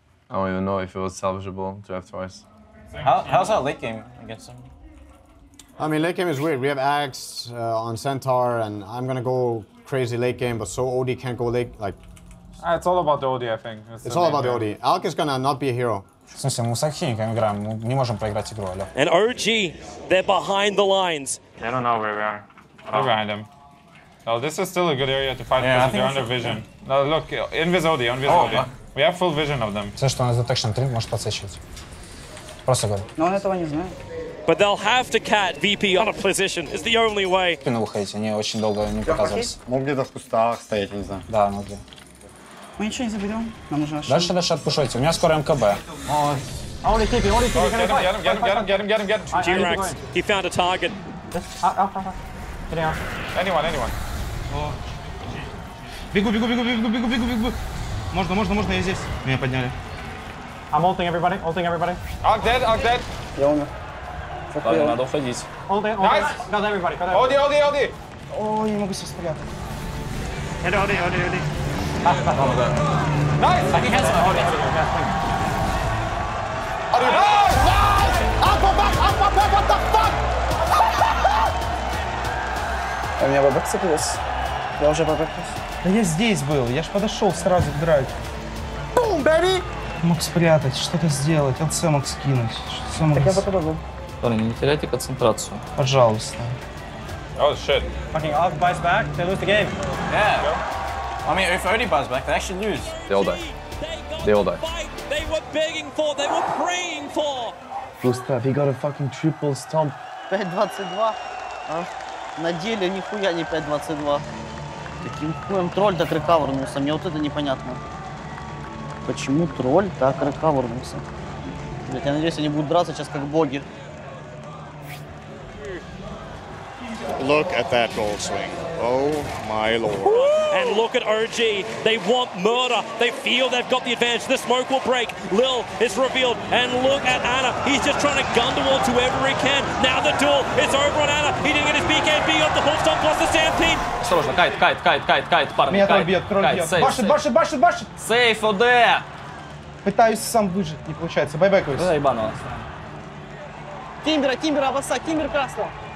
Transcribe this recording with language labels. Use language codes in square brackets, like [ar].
[en] I don't even know if it was salvageable to have twice. How's our late game against them? I mean, late game is weird. We have Axe on Centaur, and I'm gonna go crazy late game, but so OD can't go late. Like, it's all about the OD, I think. It's all about the OD. Alk is gonna not be a hero. [ru] В смысле, мы с Алхимиками играем, мы не можем проиграть игру, алло. [en] And OG, they're behind the lines. I don't know where we are. We're behind him. No, this is still a good area to fight because they're under vision. No, look, Invis OD. We have full vision of them. [ru] Все, что у нас detection 3, может подсвечивать. Просто говорю. Но он этого не знает. [en] But they'll have to cat VP on a position. It's the only way. [ru] Спину выходить, они очень долго не показывались. Мог где-то в кустах стоять, не знаю. Да, могли. Мы ничего не заберем. Нам нужно Дальше отпушивайте. У меня скоро МКБ. [en] I want to keep him. Get him. Jim Rex, he found a target. Anyone. [ru] Бегу. Можно, я здесь. Меня подняли. [en] I'm ulting everybody, Ark dead. [ru] Я умер. Ладно, надо уходить. [en] Ulting, nice. Got everybody. [ru] Ой, не могу сейчас спрятать. [en] Ulti. Nice! Ulti, what the fuck? [ru] А у меня ВБ цепилось. Я уже ВБ плюс. Да я здесь был, я ж подошел сразу к драке. Бум, бэби! Мог спрятать, что-то сделать, ЛЦ мог скинуть. Так я попробую. Парни, не теряйте концентрацию. Пожалуйста. [en] Oh, shit. Fucking Ark buys back, they lose the game. Yeah. I mean, if Odie buys back, they actually lose. They all die. They all die. They were begging for, they were praying for. Gustav, he got a fucking triple stomp. [ru] 5-22. На деле нихуя не 5-22. Таким хуем тролль так рекавернулся. Мне вот это непонятно. Почему тролль так рекавернулся? Блять, я надеюсь, они будут драться сейчас как боги. [en] Look at that goal swing. Oh my lord. And look at OG. They want murder. They feel they've got the advantage. The smoke will break. Lil is revealed. And look at Anna. He's just trying to gun the wall to whoever he can. Now the duel is over on Anna. He didn't get his BKB off the hook stop plus the stampede. [ru] Осторожно, кайт, парни. Меня кайт бьет, кроль бьет. Башит. Сейф, ОД. Пытаюсь сам выжить, не получается. Байбекаюсь. Да, ебанула. Тимбер, Абаса, Тимбер красного.